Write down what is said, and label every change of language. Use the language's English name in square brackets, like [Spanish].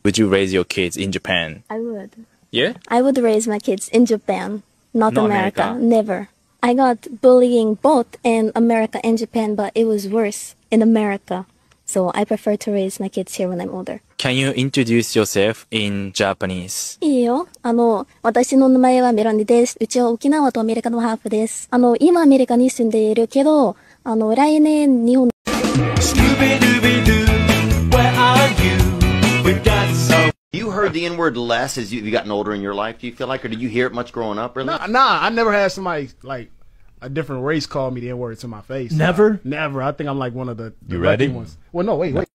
[English] Would you raise your kids in Japan? I would. Yeah? I would raise my kids in Japan, not America. Never. I got bullying both in America and Japan, but it was worse in America. So I prefer to raise my kids here when I'm older. Can you introduce yourself in Japanese? [Japanese] いいよ。私の名前はメロニです。うちは沖縄とアメリカのハーフです。今アメリカに住んでいるけど、来年日本。 [English] You heard the N-word less as you've gotten older in your life, do you feel like, or did you hear it much growing up? Really? Nah, I never had somebody like a different race call me the N-word to my face. Never? Never. I think I'm like one of the lucky ones. Well, no, wait.